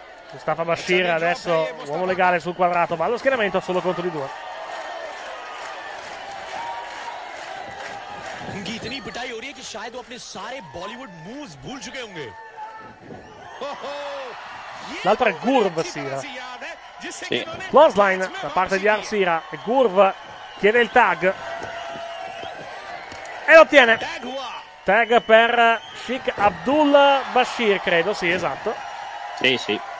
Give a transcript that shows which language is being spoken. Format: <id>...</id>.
<it>Mustafa Bashir adesso uomo legale sul quadrato, ma allo schieramento solo contro di due.</it> <hi>शायद वो अपने सारे Bollywood moves भूल चुके होंगे</hi> <it>l'altra è Gurv Sira. Sì. Close line da parte di Arv Sira e Gurv chiede il tag e lo ottiene. Tag per Sheikh Abdul Bashir, credo, sì, esatto. Sì, sì.</it>